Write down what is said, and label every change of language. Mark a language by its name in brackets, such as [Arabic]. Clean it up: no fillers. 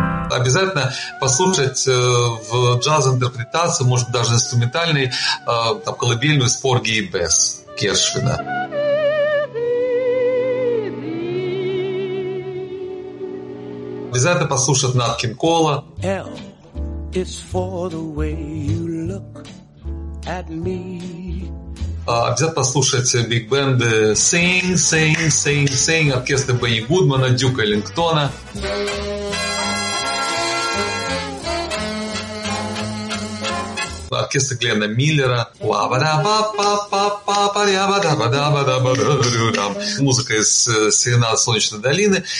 [Russian] Обязательно послушать в джаз-интерпретации, может, даже инструментальный, там, колыбельную с Порги и Бесс Гершвина. Обязательно послушать Нат Кинг Кола. [English] L is for the way you look at me. [Russian] Обязательно послушать биг-бенды Sing, Sing, Sing, Sing, оркестры Бенни Гудмана, Дюка Эллингтона. Оркестр Гленна Миллера. Музыка из «Серенад Солнечной долины».